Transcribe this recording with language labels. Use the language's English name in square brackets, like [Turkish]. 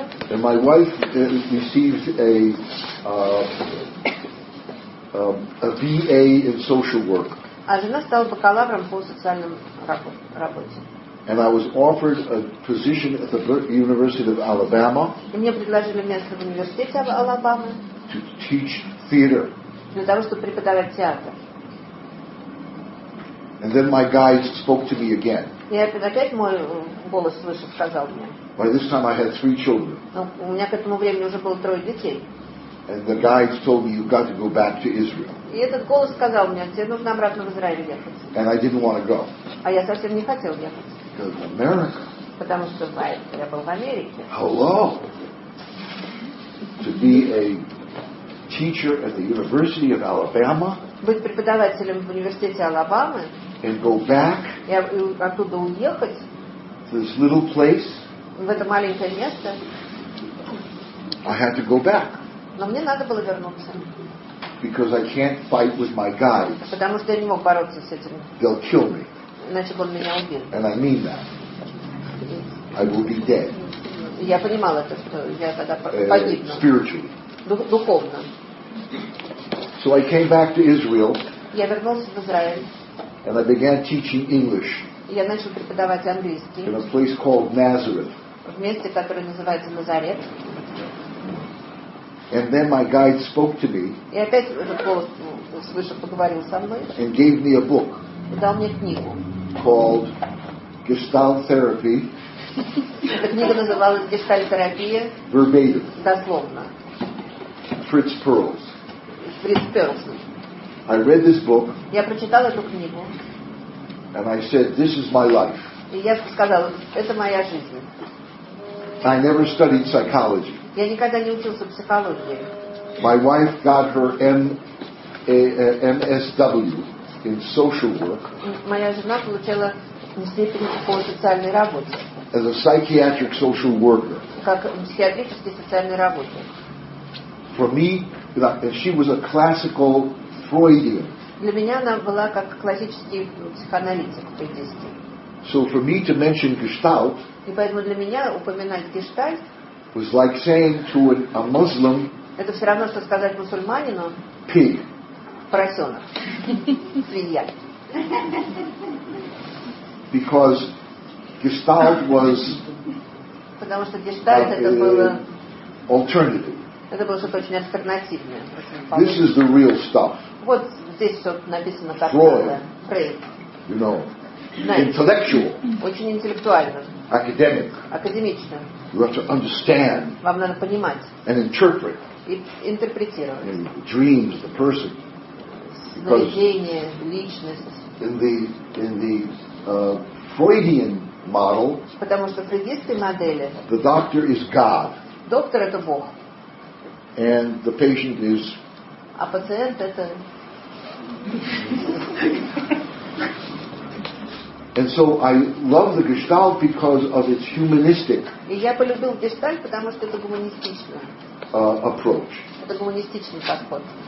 [English] And my wife received a BA in social work. And I was offered a position at the University of Alabama. [Russian] Мне предложили место в университете Алабамы. [English] To teach theater. [Russian] Для того, чтобы преподавать театр. [English] And then my guides spoke to me again. [Russian] И опять мой голос слышал, сказал мне. [English] By this time I had 3 children. [Russian] У меня к этому времени уже было 3 детей. [English] And the guides told me you've got to go back to Israel. [Russian] И этот голос сказал мне, тебе нужно обратно в Израиль ехать. [English] And I didn't want to go. [Russian] А я совсем не хотел ехать. [English] America. [Russian] Потому что я был в Америке. [English] Hello. To be a teacher at the University of Alabama. [Russian] Быть преподавателем в университете Алабамы. [English] And go back. [Russian] И оттуда уехать. [English] This little place. [Russian] В это маленькое место. [English] I had to go back. [Russian] Но мне надо было вернуться. [English] Because I can't fight with my guides. [Russian] Потому что я не мог бороться с этим. [English] They'll kill me. [Russian] Иначе бы он меня убил. [English] And I mean that. I will be dead. [Russian] Я понимал это, что я тогда погибну. [English] Spiritually. [Russian] Духовно. [English] So I came back to Israel. [Russian] Я вернулся в Израиль. [English] And I began teaching English. [Russian] Я начал преподавать английский. [English] In a place called Nazareth. [Russian] в месте, которое называется Назарет. [English] And then my guide spoke to me. [Russian] И опять голос свыше поговорил со мной. [English] And gave me a book. [Russian] Дал мне книгу. [English] Called Gestalt Therapy. [Russian] Эта книга называлась Гештальт-терапия. [English] Verbatim. [Russian] Дословно. [English] Fritz Perls. [Russian] Fritz Perls. [English] I read this book. [Russian] Я прочитал эту книгу. [English] And I said, this is my life. [Russian] И я сказал, это моя жизнь. [English] I never studied psychology. [Russian] Я никогда не учился психологии. [English] My wife got her MSW in social work. [Russian] Моя жена получила степень по социальной работе. [English] As a psychiatric social worker. [Russian] Как психиатрический социальный работник. [English] For me, she was a classical Freudian. [Russian] Для меня она была как классический психоаналитик в действии. [English] So for me to mention Gestalt. [Russian] И поэтому для меня упоминать Гештальт. [English] Was like saying to a Muslim. [Russian] Это все равно, что сказать мусульманину. [English] Pig. [Russian] Поросенок. Свинья. [English] Because Gestalt was. [Russian] Потому что Гештальт это было. [English] Alternative. [Russian] Это было что-то очень альтернативное. [English] This is the real stuff. [Russian] Вот здесь все написано так. [English] Freud. You know. Intellectual. [Russian] Очень интеллектуально. [English] Academic. [Russian] Академично. [English] You have to understand. [Russian] Вам надо понимать. [English] And interpret. [Russian] И интерпретировать. [English] And dreams, the person. [Russian] Сновидение, личность. [English] In the Freudian model. [Russian] Потому что в фрейдистской модели. [English] The doctor is God. [Russian] Доктор это Бог. [English] And the patient is. [Russian] А пациент это. [English] And so I love the Gestalt because of its humanistic. [Russian] И я полюбил Гештальт, потому что это гуманистично. [English] Approach. [Russian] Это гуманистичный подход.